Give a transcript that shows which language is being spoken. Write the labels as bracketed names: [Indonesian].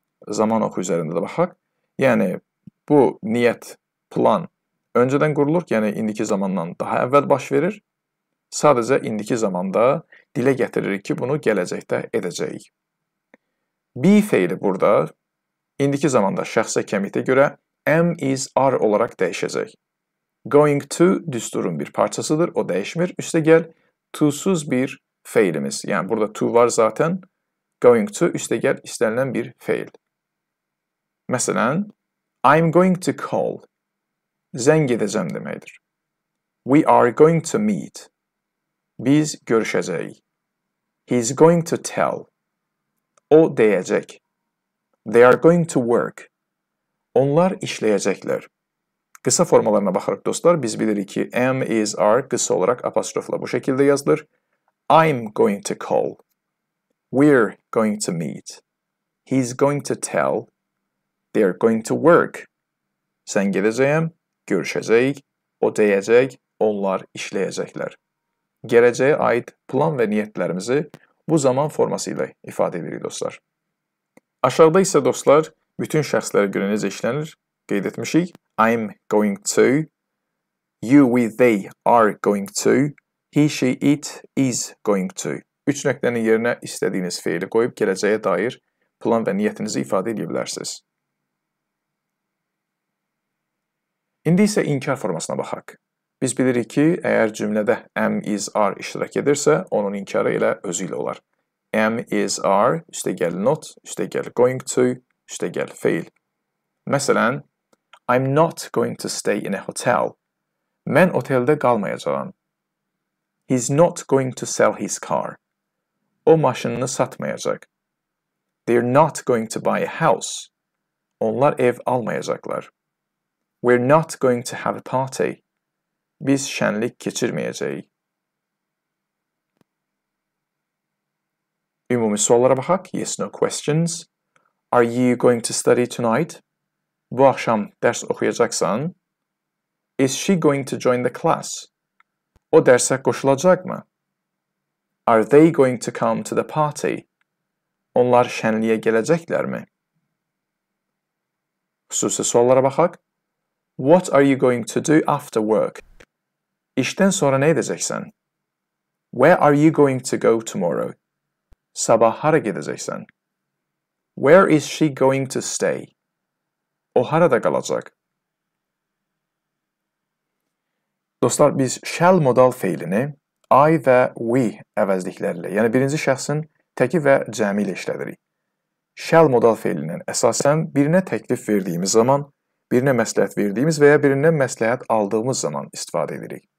[Azerbaijani] Zaman oxu üzərində də baxaq. Yəni, bu niyyət, plan öncədən qurulur, yəni indiki zamandan daha əvvəl baş verir. Sadəcə indiki zamanda dilə gətiririk ki, bunu gələcəkdə edəcəyik. Be feili burada indiki zamanda şəxsə kəmitə görə am is are olaraq dəyişəcək. Going to düsturun bir parçasıdır, o dəyişmir. Üstəgəl, to-suz bir feilimiz. Yəni, burada to var zaten. Going to, üstəgəl, istənilən bir feil. Məsələn, [English] I'm going to call. [Azerbaijani] Zəng edəcəm deməkdir. [English] We are going to meet. [Azerbaijani] Biz görüşəcəyik. [English] He's going to tell. [Azerbaijani] O deyəcək. [English] They are going to work. [Azerbaijani] Onlar işləyəcəklər. Qısa formalarına baxırıq, dostlar. Biz bilirik ki, am, is, are qısa olaraq apostrofla bu şəkildə yazılır. [English] I'm going to call. We're going to meet. He's going to tell. They're going to work. [Azerbaijani] Sən gedəcəyəm, görüşəcəyik, o deyəcək, onlar işləyəcəklər. Gələcəyə aid plan və niyyətlərimizi bu zaman forması ilə ifadə edirik, dostlar. Aşağıda isə, dostlar, bütün şəxslərə görə necə işlənir, qeyd etmişik. [English] I'm going to, you with they are going to, he, she, it is going to. [Azerbaijani] Üç nöqtənin yerinə istədiyiniz feili qoyub gələcəyə dair plan və niyyətinizi ifadə edə bilərsiniz. İndi isə inkar formasına baxaq. Biz bilirik ki, əgər cümlədə am, is, are iştirak edirsə, onun inkarı ilə özü ilə olar. Am, is, are, üstəgəl not, üstəgəl going to, üstəgəl fail. Məsələn, [English] I'm not going to stay in a hotel. [Azerbaijani] Mən oteldə qalmayacağam. [English] He's not going to sell his car. [Azerbaijani] O maşınını satmayacaq. [English] They're not going to buy a house. [Azerbaijani] Onlar ev almayacaqlar. [English] We're not going to have a party. [Azerbaijani] Biz şənlik keçirməyəcəyik. Ümumi suallara baxaq. [English] Yes, no questions. Are you going to study tonight? [Azerbaijani] Bu axşam dərs oxuyacaqsan. [English] Is she going to join the class? [Azerbaijani] O dərsə qoşulacaqmı? [English] Are they going to come to the party? [Azerbaijani] Onlar şənliyə gələcəklərmi? Xüsusi suallara baxaq. [English] What are you going to do after work? [Azerbaijani] İşdən sonra nə edəcəksən? [English] Where are you going to go tomorrow? [Azerbaijani] Sabah hara gedəcəksən? [English] Where is she going to stay? [Azerbaijani] O harada qalacaq? Dostlar, biz shall modal feilini I və we əvəzliklərlə, yəni birinci şəxsin təki və cəmi ilə işlədirik. Shall modal feilinin əsasən birinə təklif verdiyimiz zaman birinə məsləhət verdiyimiz və ya birindən məsləhət aldığımız zaman istifadə edirik.